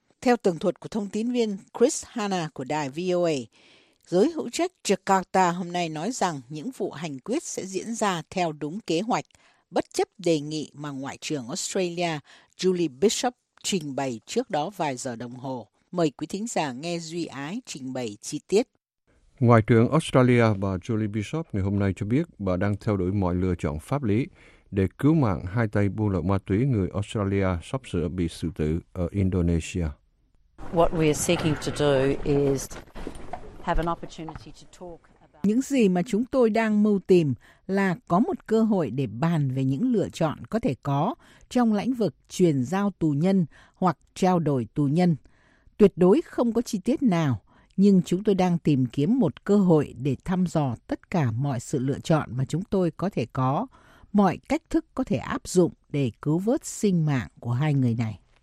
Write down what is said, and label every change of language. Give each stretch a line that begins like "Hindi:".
Vietnamese: Theo tường thuật của thông tín viên Chris Hanna của đài VOA, giới hữu trách Jakarta hôm nay nói rằng những vụ hành quyết sẽ diễn ra theo đúng kế hoạch, bất chấp đề nghị mà Ngoại trưởng Australia Julie Bishop trình bày trước đó vài giờ đồng hồ. Mời quý thính giả nghe Duy Ái trình bày chi tiết. Ngoại trưởng Australia bà Julie Bishop ngày hôm nay cho biết bà đang theo đuổi mọi lựa chọn pháp lý để cứu mạng hai tay buôn lậu ma túy người Australia sắp sửa bị xử tử ở Indonesia.
English: What we are seeking to do is have an opportunity to talk about...
Vietnamese: Những gì mà chúng tôi đang mưu tìm là có một cơ hội để bàn về những lựa chọn có thể có trong lĩnh vực chuyển giao tù nhân hoặc trao đổi tù nhân. Tuyệt đối không có chi tiết nào, nhưng chúng tôi đang tìm kiếm một cơ hội để thăm dò tất cả mọi sự lựa chọn mà chúng tôi có thể có, mọi cách thức có thể áp dụng để cứu vớt sinh mạng của hai người này.